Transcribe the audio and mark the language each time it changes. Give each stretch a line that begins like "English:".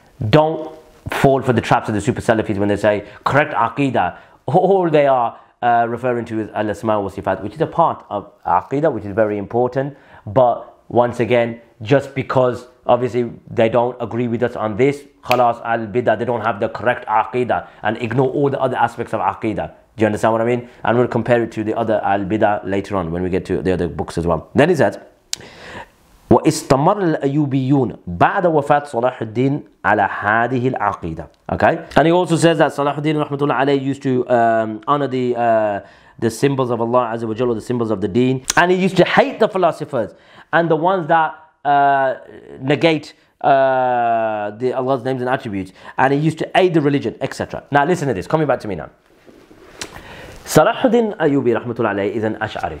English: Don't fall for the traps of the Super Salafis when they say, correct Aqidah, all they are referring to is Al-Asma wa Sifat, which is a part of Aqidah, which is very important. But once again, just because obviously they don't agree with us on this, khalas al-bidah, they don't have the correct Aqidah, and ignore all the other aspects of Aqidah. Do you understand what I mean? And we'll compare it to the other al-bidah later on when we get to the other books as well. Then he says,
Arabic: وَإِسْتَمَرَ الْأَيُوبِيُّونَ بَعْدَ وَفَاتِ صَلَاحُ الدِّينِ عَلَى هَذِهِ الْعَقِيدَةِ.
English: Okay? And he also says that Salahuddin rahmatullah alayhi used to honor the symbols of Allah Azza wa Jalla, the symbols of the deen. And he used to hate the philosophers and the ones that negate the Allah's names and attributes. And he used to aid the religion, etc. Now listen to this. Coming back to me now. Salahuddin Ayyubi rahmatullah alayhi is an Ash'ari.